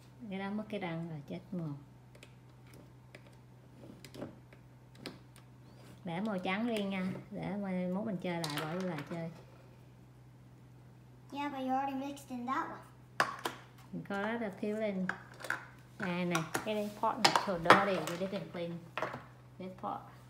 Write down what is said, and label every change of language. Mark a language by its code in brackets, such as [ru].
[vi] Cái đó mất cái răng là chết mồm. Để màu trắng riêng nha, để mốt mình chơi lại, bỏ lại chơi. [en] Yeah, but you already mixed in that one. [vi] Có lát là peeling. Này nè, cái đây [en] pot này so dirty, you didn't clean this pot.